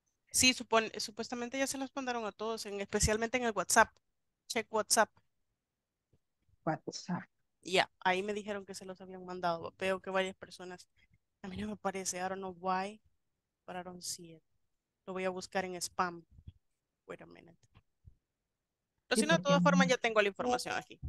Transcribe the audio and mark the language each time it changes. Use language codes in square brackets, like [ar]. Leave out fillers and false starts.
[es] Sí, supuestamente ya se las mandaron a todos, especialmente en el WhatsApp. [en] Check WhatsApp. WhatsApp. [es] Ya, yeah, ahí me dijeron que se los habían mandado. Veo que varias personas. A mí no me parece. [en] I don't know why, but I don't see it. [es] Lo voy a buscar en spam. [en] Wait a minute. [es] Pero si no, de todas formas ya tengo la información aquí.